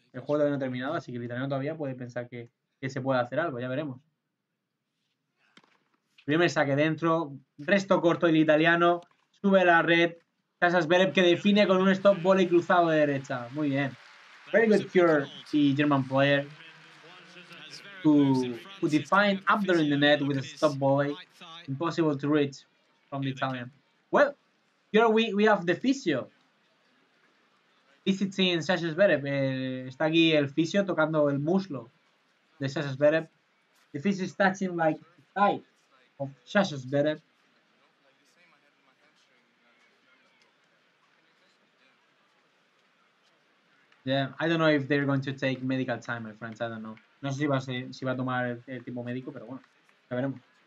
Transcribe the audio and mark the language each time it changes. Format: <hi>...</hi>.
<es>El juego todavía no ha terminado, así que el italiano todavía puede pensar que se puede hacer algo. Ya veremos. Primer saque dentro. Resto corto del italiano. Sube la red. Sasha Zverev que define con un stop volley cruzado de derecha. Muy bien.</es> <en>Very good cure the German player. Who define up there in the net with a stop volley. Impossible to reach. From the Italian. Well, here we have the physio. Visiting Sasha Zverev.</en> <es>Está aquí el physio tocando el muslo de Sasha Zverev.</es> <en>The physio is touching like the thigh of Sasha Zverev. Yeah, I don't know if they're going to take medical time, my friends. I don't know.</en> <es>No sé si va a tomar el tipo médico, pero bueno, ya veremos.</es>